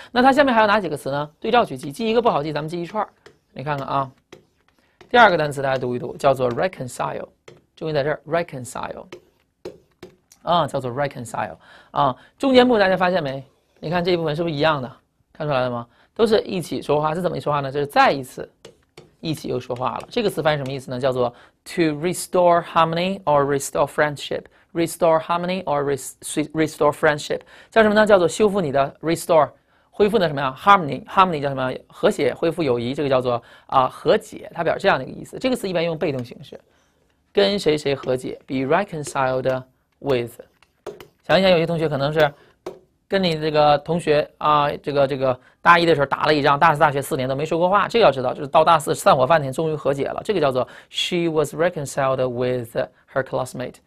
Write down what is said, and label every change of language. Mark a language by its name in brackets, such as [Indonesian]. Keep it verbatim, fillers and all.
[Chinese] 那它下面还有哪几个词呢？对照去记，记一个不好记，咱们记一串儿。你看看啊，第二个单词大家读一读，叫做 reconcile， 重音在这儿 reconcile， 啊，叫做 reconcile， 啊，中间部分大家发现没？你看这一部分是不是一样的？看出来了吗？都是一起说话，是怎么一说话呢？就是再一次一起又说话了。这个词翻译什么意思呢？叫做 [English] to restore harmony or restore friendship。 restore harmony or restore friendship [Chinese] 叫什么呢？叫做修复你的 restore。恢复的什么呀 ？harmony，harmony harmony 叫什么？和谐，恢复友谊，这个叫做啊、呃、和解，它表示这样的一个意思。这个词一般用被动形式，跟谁谁和解 ， [English] be reconciled with。 [Chinese] 想一想，有些同学可能是跟你这个同学啊、呃，这个这个大一的时候打了一仗，大四大学四年都没说过话，这个要知道，就是到大四散伙饭那天终于和解了，这个叫做 [English] she was reconciled with her classmate。